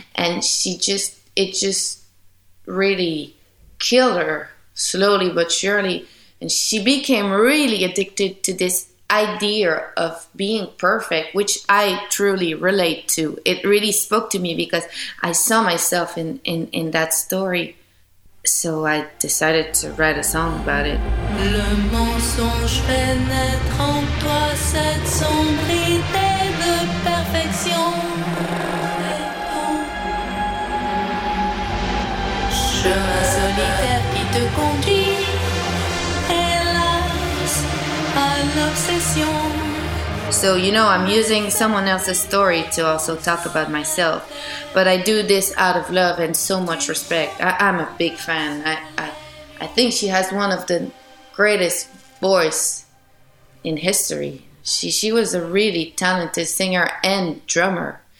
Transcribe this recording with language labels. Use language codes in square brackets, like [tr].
[en] And she just, it just really killed her slowly but surely. And she became really addicted to this idea of being perfect, which I truly relate to. It really spoke to me because I saw myself in that story. So I decided to write a song about it. [fr] Le mensonge fait naître en toi cette sombre idée de perfection. Chemin solitaire qui te conduit, hélas, à l'obsession. [en] So, you know, I'm using someone else's story to also talk about myself. But I do this out of love and so much respect. I'm a big fan. I think she has one of the greatest voice in history. She was a really talented singer and drummer.